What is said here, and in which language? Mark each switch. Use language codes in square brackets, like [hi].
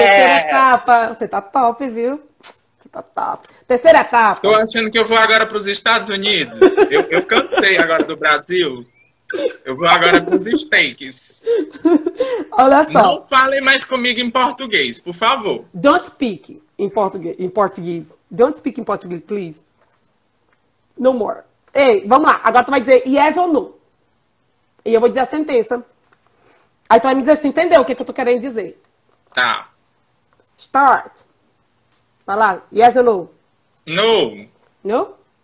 [pt] Terceira etapa. Você tá top, viu? Você tá top. Terceira etapa. Tô achando que eu vou agora pros Estados Unidos. Eu cansei agora do Brasil. Eu vou agora pros States. Olha só. Não falem mais comigo em português, por favor. [en] Don't speak in Portuguese. Don't speak in Portuguese, please. No more. [pt] Ei, vamos lá. Agora tu vai dizer yes ou no. E eu vou dizer a sentença. Aí tu vai me dizer se tu entendeu o que eu tô querendo dizer. Tá. [en] Start. [pt] Vai lá. [en] Yes or no? No. No?